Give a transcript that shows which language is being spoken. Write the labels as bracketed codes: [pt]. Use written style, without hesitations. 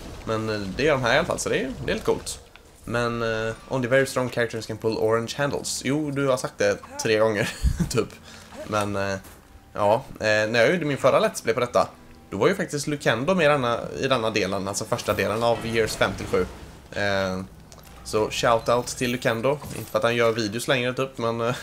[sv] Men det gör de här i alla fall, så det är lite coolt. [en] Men only very strong characters can pull orange handles. [sv] Jo, du har sagt det 3 gånger, typ. Men när jag gjorde min förra Let's Play på detta, då var ju faktiskt Lucendo med i denna delen, alltså första delen av Years 5-7. Så shout out till Lucendo, inte för att han gör videos längre typ, men...